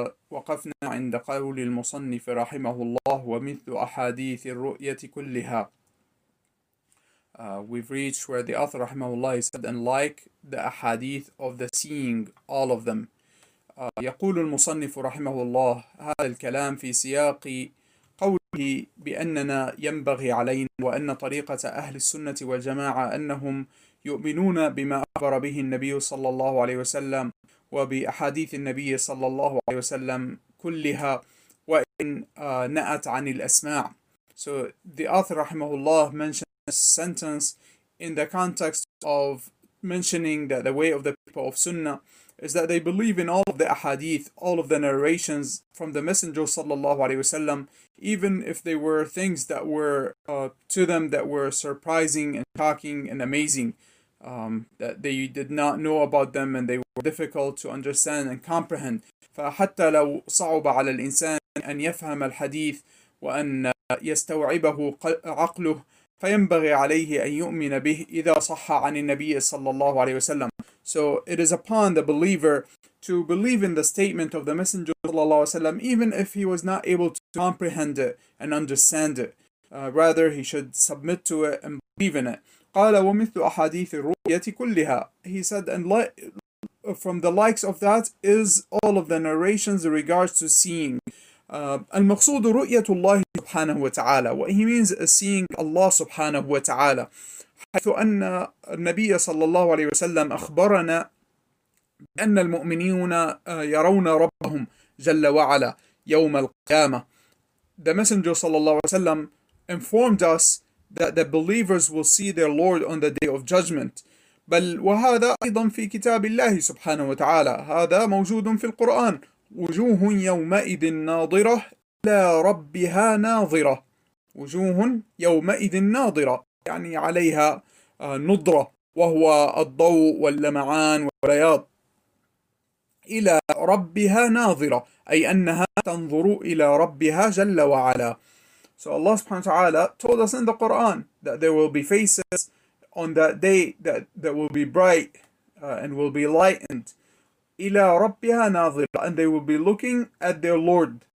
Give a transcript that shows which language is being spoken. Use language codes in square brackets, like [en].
[ar] وقفنا عند قول المصنف رحمه الله ومثل أحاديث الرؤية كلها. [en] We've reached where the author رحمه الله said and like the ahadith of the seeing, all of them. [ar] يقول المصنف رحمه الله هذا الكلام في سياق قوله بأننا ينبغي علينا وأن طريقة أهل السنة والجماعة أنهم يؤمنون بما أخبر به النبي صلى الله عليه وسلم وبأحاديث النبي صلى الله عليه وسلم كلها وإن نأت عن الأسماع. [en] So the author رحمه الله mentioned this sentence in the context of mentioning that the way of the people of Sunnah is that they believe in all of the ahadith, all of the narrations from the Messenger sallallahu alaihi wasallam, even if they were things that were to them that were surprising and shocking and amazing, that they did not know about them and they were difficult to understand and comprehend. [ar] فحتى لو صعب على الإنسان أن يفهم الحديث وأن يستوعبه عقله فينبغي عليه أن يؤمن به إذا صح عن النبي صلى الله عليه وسلم. [en] So it is upon the believer to believe in the statement of the Messenger sallallahu alaihi wasallam, even if he was not able to comprehend it and understand it. Rather, he should submit to it and believe in it. [ar] قال ومثل أحاديث الرؤية كلها. [en] He said, and from the likes of that is all of the narrations in regards to seeing. [ar] المقصود رؤية الله سبحانه وتعالى. [en] What he means is seeing Allah سبحانه وتعالى. [ar] حيث أن النبي صلى الله عليه وسلم أخبرنا بأن المؤمنين يرون ربهم جل وعلا يوم القيامة. [en] The Messenger صلى الله عليه وسلم informed us that the believers will see their Lord on the day of judgment. [ar] بل وهذا أيضا في كتاب الله سبحانه وتعالى. هذا موجود في القرآن. وجوه يومئذ ناظرة إلى ربها ناظرة. وجوه يومئذ ناظرة. يعني عليها نظرة وهو الضوء واللمعان والرياض إلى ربها ناظرة أي أنها تنظر إلى ربها جل وعلا. [en] So Allah سبحانه وتعالى told us in the Quran that there will be faces on that day that will be bright and will be lightened [ar] إلى ربها ناظرة [en] and they will be looking at their Lord.